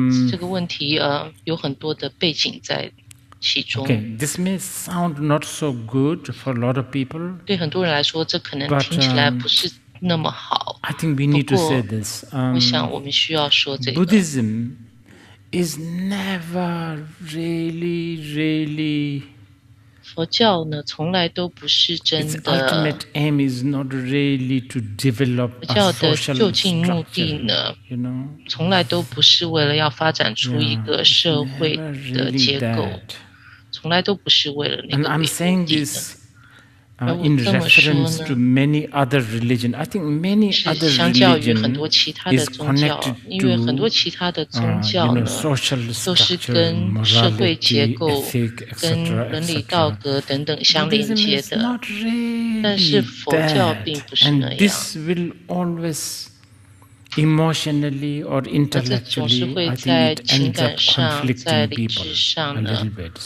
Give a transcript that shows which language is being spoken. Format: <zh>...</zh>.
<zh>这个问题有很多的背景在其中。</zh> <en>Okay, this may sound not so good for a lot of people.</en> <zh>对很多人来说，这可能听起来不是那么好。</zh> <en>I think we need to say this.</en> <zh>我想我们需要说这个。</zh> <en>Buddhism is never really, really.</en> <zh>佛教呢，从来都不是真的。</zh> <en>Its ultimate aim is not really to develop a social structure.</en> <zh>佛教的究竟目的呢？从来都不是为了要发展出一个社会的结构，从来都不是为了那个目的。</zh> <en>And I'm saying this in reference to many other religions. I think many other religions is connected to social structure, morality, ethic, etc.</en> <zh>跟伦理道德等等相连接的。但是佛教并不是那样。</zh> <en>And this will always emotionally or intellectually, I think it ends up conflicting people a little bit.</en>